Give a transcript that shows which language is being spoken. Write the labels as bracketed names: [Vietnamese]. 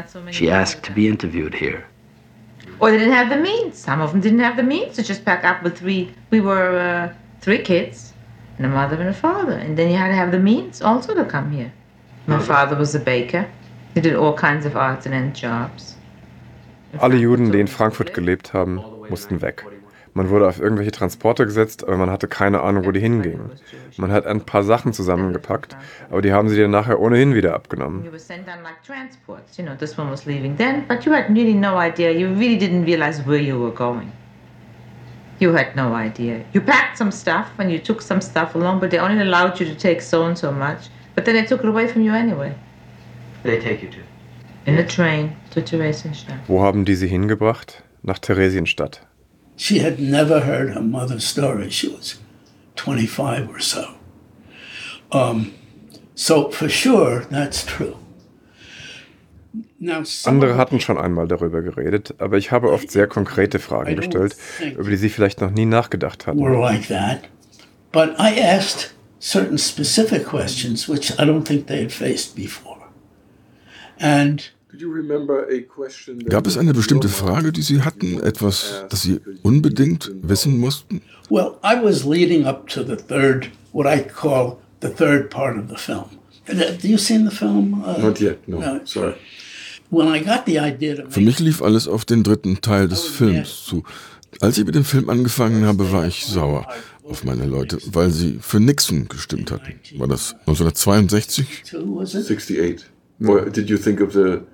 [English] She asked to be interviewed here. Or they didn't have the means. Some of them didn't have the means to just pack up with three. We were three kids. And a mother and a father. And then you had to have the means also to come here. My father was a baker. He did all kinds of odds and ends jobs. [German] Alle Juden, die in Frankfurt gelebt haben, mussten weg. Man wurde auf irgendwelche Transporte gesetzt, aber man hatte keine Ahnung, wo die hingingen. Man hat ein paar Sachen zusammengepackt, aber die haben sie dann nachher ohnehin wieder abgenommen. [English] You were sent on like transports. You know, this one was leaving then, but you had really no idea. You really didn't realize where you were going. You had no idea. You packed some stuff and you took some stuff along, but they only allowed you to take so and so much. But then they took it away from you anyway. They take you to? In the train to Theresienstadt. [German] Wo haben die sie hingebracht? Nach Theresienstadt. [English] She had never heard her mother's story. She was 25 or so. So for sure, that's true. [German] Andere hatten schon einmal darüber geredet, aber ich habe oft sehr konkrete Fragen gestellt, über die sie vielleicht noch nie nachgedacht hatten. [English] Were like that, but I asked certain specific questions, which I don't think they had faced before. And [German] gab es eine bestimmte Frage, die sie hatten, etwas, das sie unbedingt wissen mussten? [English] Well, I was leading up to the third, what I call the third part of the film. Have you seen the film? Not yet. No. Sorry. When I got the idea to make, [German] für mich lief alles auf den dritten Teil des Films zu. Als ich mit dem Film angefangen habe, war ich sauer auf meine Leute, weil sie für Nixon gestimmt hatten. War das 1962? [English] 68. Did you think of the